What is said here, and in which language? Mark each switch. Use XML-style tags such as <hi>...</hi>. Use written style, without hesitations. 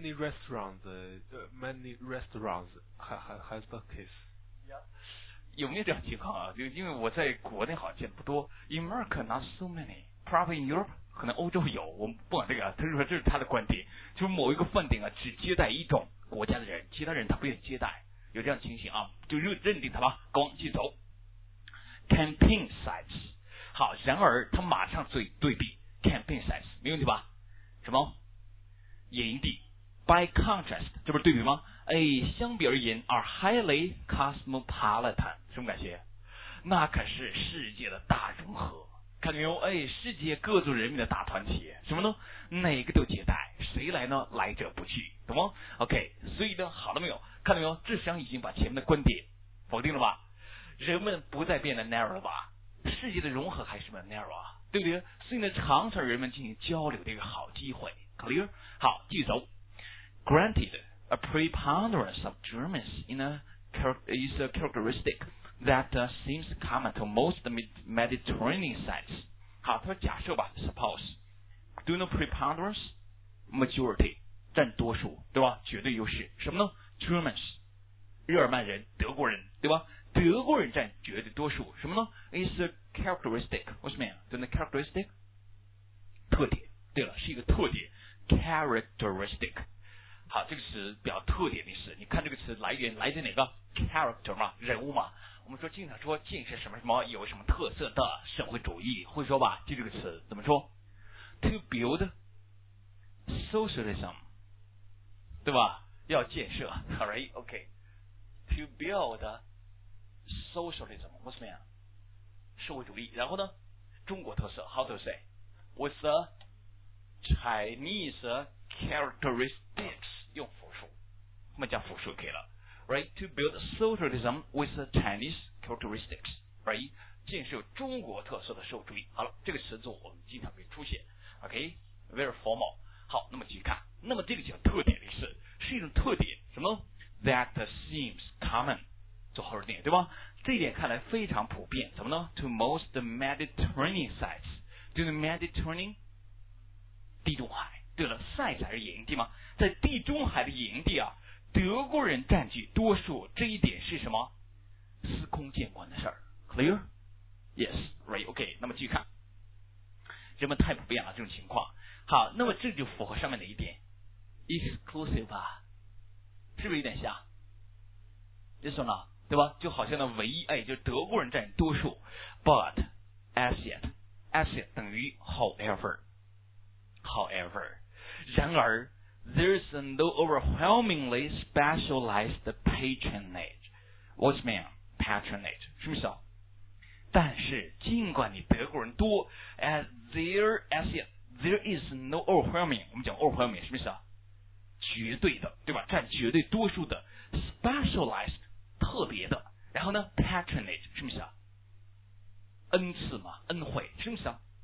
<en>Many restaurants has the case、 yeah.</en> <zh>有没有这样情况啊？就因为我在国内好像见不多 ，</zh> <en>in America not so many， probably in Europe</en> <zh>可能欧洲有，我们不管这个，他说这是他的观点，就是某一个饭店啊只接待一种国家的人，其他人他不愿意接待，有这样情形啊，就认定他吧，跟我继续走。 Campaign sites， 好，然而他马上做对比 ，campaign sites 没问题吧？什么？野营地 ，by contrast， 这不是对比吗？哎，相比而言 ，</zh> <en>are highly cosmopolitan，</en> <zh>什么感觉？那可是世界的大融合，看见没有？哎，世界各族人民的大团结，什么呢？哪个都接待，谁来呢？来者不拒，懂吗 ？OK， 所以呢，好了没有？看到没有？智商已经把前面的观点否定了吧？人们不再变得 narrow 了吧？世界的融合还是蛮 narrow 啊，对不对？所以呢，常常人们进行交流的一个好机会 ，clear。好，继续走。Granted，</zh> <en>a preponderance of Germans in a, is a characteristic that seems common to most Mediterranean sites.</en> <zh>好，他说假设吧 ，</zh> <en>suppose， do you know preponderance？</en> <zh>Majority， 占多数，对吧？绝对优势，什么呢 ？Germans， 日耳曼人，德国人，对吧？德国人占绝对多数，什么呢 ？</zh> <en>Is a characteristic， what's mean？ Do you know characteristic？</en> <zh>特点，对了，是一个特点 ，characteristic。好，这个词表特点的意思。你看这个词来源来自哪个 ？character 嘛，人物嘛。我们说经常说进是什么什么有什么特色的社会主义，会说吧？记这个词怎么说 ？</zh> <en>To build socialism，</en> <zh>对吧？要建设 ，alright， OK。</zh> <en>To build socialism， what's mean？</en> <zh>社会主义。然后呢？中国特色 ，</zh> <en>how to say？ With the Chinese characteristics。</en> <zh>用复数，我们叫复数可以了 ，right?</zh> <en>To build socialism with the Chinese characteristics, right?</en> <zh>建设中国特色的社会主义。好了，这个词组我们经常会出现 ，OK?</zh> <en>Very formal.</en> <zh>好，那么继续看，那么这个叫特点的意思，是一种特点，什么 ？</zh> <en>That seems common.</en> <zh>做后缀点，对吧？这一点看来非常普遍，怎么呢 ？</zh> <en>To most Mediterranean sites. Do the Mediterranean? 地中海。</en> <zh>对了 ，sites 还是野营地吗？在地中海的野营地啊，德国人占据多数，这一点是什么？司空见惯的事儿。</zh> <en>Clear? Yes. Right. OK.</en> <zh>那么继续看，人们太普遍了这种情况。好，那么这就符合上面的一点 ，exclusive 吧？是不是有点像 ？This one 对吧？就好像呢，唯一哎，就是德国人占多数 ，</zh> <en>but as yet， as yet</en> <zh>等于 however， however， 然而。</zh> <en>There's no overwhelmingly specialized patronage. What's mean? Patronage. 什么意思啊？</en> <zh>但是尽管你德国人多</zh> <en>there is no overwhelming.</en> <zh>我们讲 overwhelming, 什么意思啊？绝对的，对吧？占绝对多数的 specialized, 特别的。然后呢 patronage, 什么意思啊？恩赐嘛，恩惠，什么意思啊？</zh>